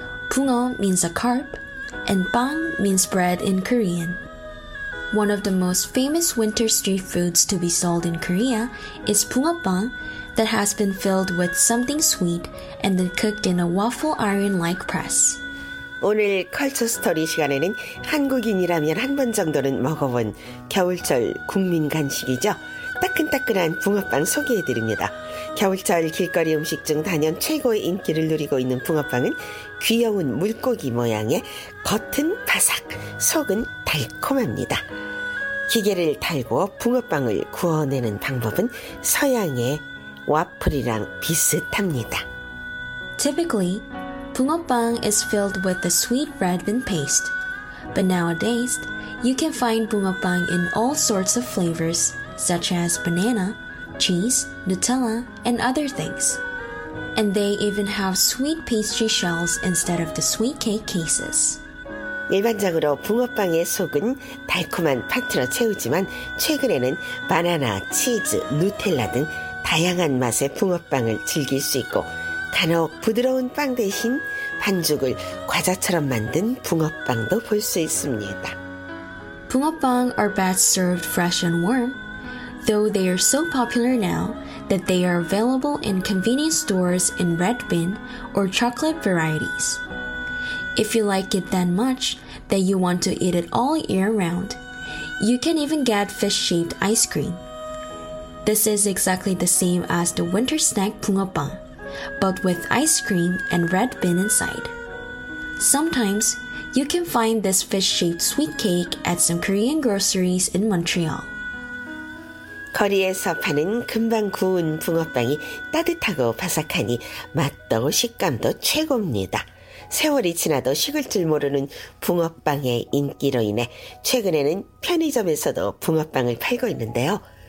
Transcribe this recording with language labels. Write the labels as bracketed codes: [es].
[en] Bungeo means a carp, and bang means bread in Korean. One of the most famous winter street foods to be sold in Korea is bungeoppang that has been filled with something sweet and then cooked in a waffle iron-like press. [ko] 오늘 컬처 스토리 시간에는 한국인이라면 한 번 정도는 먹어본 겨울철 국민 간식이죠. 따끈따끈한 붕어빵 소개해드립니다. 겨울철 길거리 음식 중 단연 최고의 인기를 누리고 있는 붕어빵은 귀여운 물고기 모양의 겉은 바삭, 속은 달콤합니다. 기계를 달고 붕어빵을 구워내는 방법은 서양의 와플이랑 비슷합니다. [en] Typically, bungeoppang is filled with the sweet bread and paste. But nowadays, you can find bungeoppang in all sorts of flavors, such as banana, cheese, Nutella, and other things. And they even have sweet pastry shells instead of the sweet cake cases. [ko] 일반적으로 붕어빵의 속은 달콤한 파트로 채우지만 최근에는 바나나, 치즈, 누텔라 등 다양한 맛의 붕어빵을 즐길 수 있고 간혹 부드러운 빵 대신 반죽을 과자처럼 만든 붕어빵도 볼 수 있습니다. [en] 붕어빵 are best served fresh and warm. Though they are so popular now that they are available in convenience stores in red bean or chocolate varieties. If you like it that much that you want to eat it all year round, you can even get fish-shaped ice cream. This is exactly the same as the winter snack 붕어빵, but with ice cream and red bean inside. Sometimes, you can find this fish-shaped sweet cake at some Korean groceries in Montreal. [ko] 거리에서 파는 금방 구운 붕어빵이 따뜻하고 바삭하니 맛도 식감도 최고입니다. 세월이 지나도 식을 줄 모르는 붕어빵의 인기로 인해 최근에는 편의점에서도 붕어빵을 팔고 있는데요.